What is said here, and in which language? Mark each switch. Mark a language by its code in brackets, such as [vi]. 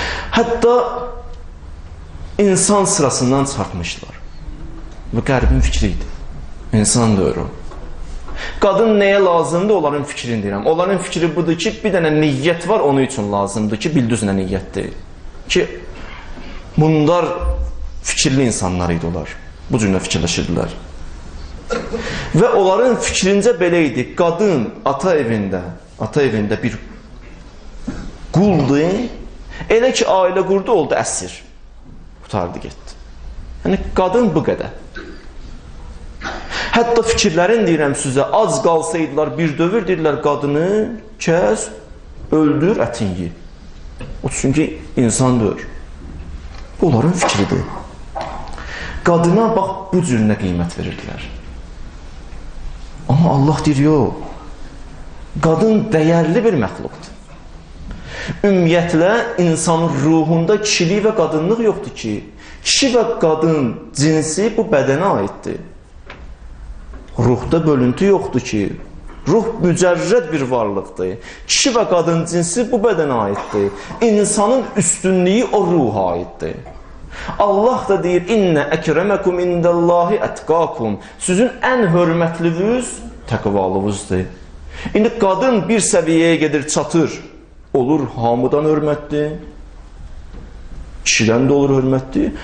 [az] Hətta insan sırasından çıxartmışdılar. Bu qəribin fikri idi. İnsan doğru. Qadın nəyə lazımdır, onların fikrini deyirəm. Onların fikri budur ki, bir dənə niyyət var onun üçün lazımdır ki, bildüz nə niyyətdir. Ki, bunlar fikirli insanlar idi onlar. Bu cürlə fikirləşirdilər. Və onların fikrincə belə idi. Qadın ata evində bir quldur. Elə ki, ailə qurdu, oldu əsir. qurtardı getdi. Yəni qadın bu qədər. Hətta fikirlərin deyirəm sizə, az qalsaydılar bir dövr deyirlər qadını kəs, öldür ətini. O çünki insan deyir. Onların fikridir. Qadına bax bu cürünə qiymət verirdilər. Amma Allah deyir, yox. Qadın dəyərli bir məxluqdur. Ümumiyyətlə, insanın ruhunda kişilik və qadınlıq yoxdur ki, kişi və qadın cinsi bu bədənə aiddir. Ruhda bölüntü yoxdur ki, ruh mücərrəd bir varlıqdır. Kişi və qadın cinsi bu bədənə aiddir. İnsanın üstünlüyü o ruha aiddir. Allah da deyir, [ar] İnnə əkrəməkum indəllahi ətqakum. [az] Sizin ən hörmətliviz təqvalıvızdır. İndi qadın bir səviyyəyə gedir, çatır. Olur hamıdan hörmətli, kişidən də olur hörmətli.